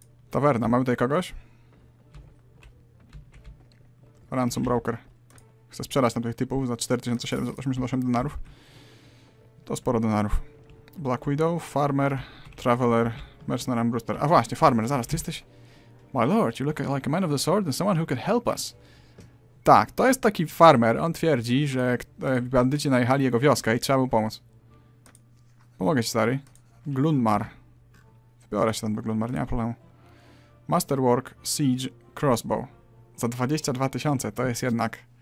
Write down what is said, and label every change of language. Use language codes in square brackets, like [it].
[pl] Tawerna, mamy tutaj kogoś? Ransom Broker. Chcę sprzedać tam tych typów za 4788 denarów. To sporo denarów. [en] Black Widow, Farmer, Traveler, Mercenary and Brewster. [pl] A właśnie, Farmer, zaraz, ty jesteś... [en] My lord, you look like a man of the sword and someone who could help us. [pl] Tak, to jest taki farmer. On twierdzi, że bandyci najechali jego wioskę i trzeba mu pomóc. Pomogę ci, stary. Glunmar. Wybiorę się tam do Glunmar, nie ma problemu. Masterwork, Siege, Crossbow. Za 22 tysiące, to jest jednak...